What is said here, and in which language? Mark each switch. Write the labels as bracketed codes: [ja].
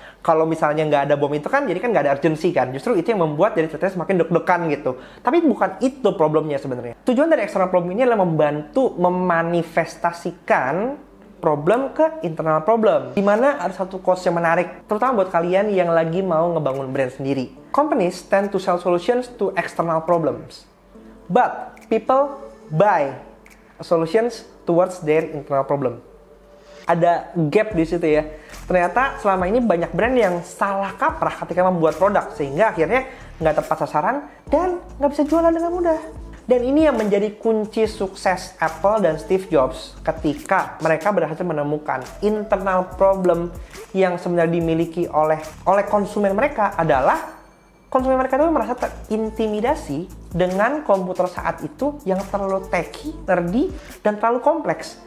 [id] Kalau misalnya nggak ada bom itu kan, jadi kan nggak ada urgency kan. Justru itu yang membuat jadi ceritanya semakin deg-degan gitu. Tapi bukan itu problemnya sebenarnya. Tujuan dari external problem ini adalah membantu memanifestasikan problem ke internal problem. Di mana ada satu cost yang menarik, terutama buat kalian yang lagi mau ngebangun brand sendiri. [en] Companies tend to sell solutions to external problems. But people buy solutions towards their internal problem. [id] Ada gap di situ ya. Ternyata selama ini banyak brand yang salah kaprah ketika membuat produk sehingga akhirnya nggak tepat sasaran dan nggak bisa jualan dengan mudah. Dan ini yang menjadi kunci sukses Apple dan Steve Jobs ketika mereka berhasil menemukan internal problem yang sebenarnya dimiliki oleh konsumen mereka adalah konsumen mereka itu merasa terintimidasi dengan komputer saat itu yang terlalu techy, nerdy, dan terlalu kompleks.